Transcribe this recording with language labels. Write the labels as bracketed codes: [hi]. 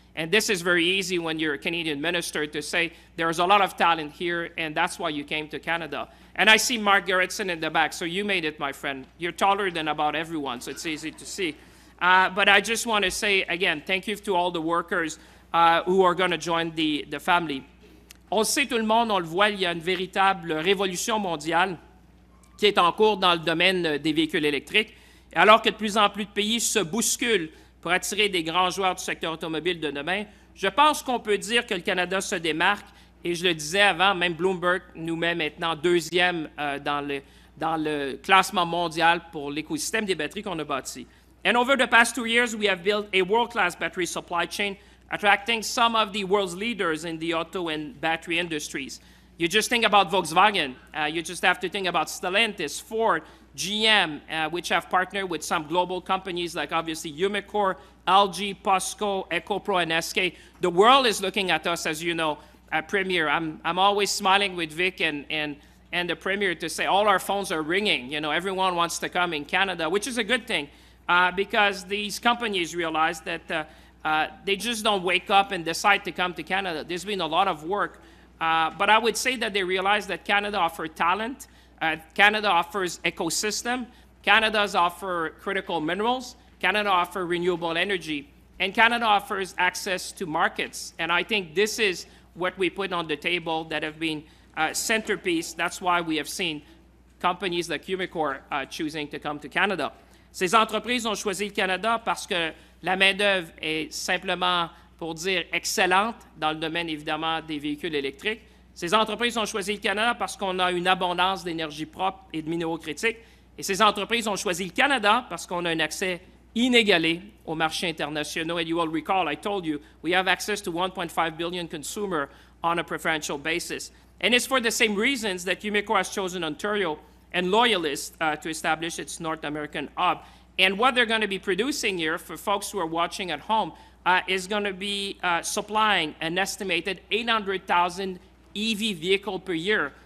[en] And this is very easy when you're a Canadian minister to say, there's a lot of talent here, and that's why you came to Canada. And I see Mark Gerritsen in the back, so you made it, my friend. You're taller than about everyone, so it's easy to see. But I just want to say, again, thank you to all the workers who are going to join the family. [fr] On sait tout le monde, on le voit, il y a une véritable révolution mondiale qui est en cours dans le domaine des véhicules électriques. Alors que de plus en plus de pays se bousculent pour attirer des grands joueurs du secteur automobile de demain, je pense qu'on peut dire que le Canada se démarque, et je le disais avant, même Bloomberg nous met maintenant deuxième dans le classement mondial pour l'écosystème des batteries qu'on a bâti. [en] And over the past 2 years, we have built a world-class battery supply chain, attracting some of the world's leaders in the auto and battery industries. You just think about Volkswagen, you just have to think about Stellantis, Ford, GM, which have partnered with some global companies like obviously Umicore, LG, POSCO, EcoPro, and SK. The world is looking at us, as you know, at Premier. I'm always smiling with Vic and the Premier to say all our phones are ringing. You know, everyone wants to come in Canada, which is a good thing because these companies realize that they just don't wake up and decide to come to Canada. There's been a lot of work, but I would say that they realize that Canada offers talent. Canada offers ecosystem, Canada offers critical minerals, Canada offers renewable energy, and Canada offers access to markets. And I think this is what we put on the table that have been centerpiece. That's why we have seen companies like Umicore choosing to come to Canada. [fr] Ces entreprises ont choisi le Canada parce que la main-d'œuvre est simplement, pour dire, excellente dans le domaine, évidemment, des véhicules électriques. Ces entreprises ont choisi le Canada parce qu'on a une abondance d'énergie propre et de minéraux critiques. Et ces entreprises ont choisi le Canada parce qu'on a un accès inégalé aux marchés internationaux. [en] And you will recall, I told you, we have access to 1.5 billion consumers on a preferential basis. And it's for the same reasons that Umicore has chosen Ontario and Loyalist to establish its North American hub. And what they're going to be producing here, for folks who are watching at home, is going to be supplying an estimated 800,000 EV vehicle per year.